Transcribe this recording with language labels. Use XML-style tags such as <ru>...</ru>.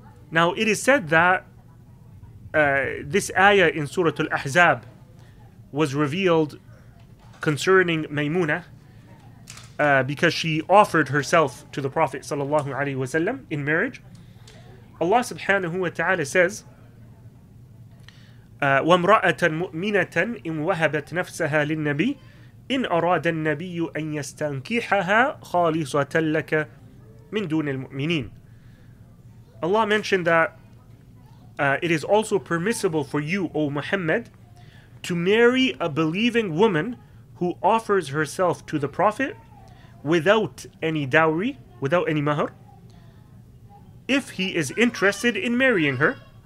<en>Now it is said that this ayah in Surah Al-Ahzab was revealed concerning Maymuna, because she offered herself to the Prophet sallallahu alaihi wasallam in marriage.</en> <ar>Allah subhanahu wa ta'ala says, وَامْرَأَةً مُؤْمِنَةً إِنْ وَهَبَتْ نَفْسَهَا لِلنَّبِيِّ إِنْ أَرَادَ النَّبِيُّ أَنْ يَسْتَنْكِحَهَا خَالِصَةً لَكَ مِنْ دُونِ الْمُؤْمِنِينَ.</ar> <en>Allah mentioned that it is also permissible for you, O Muhammad, to marry a believing woman who offers herself to the Prophet without any dowry, without any mahr, if he is interested in marrying her.</en>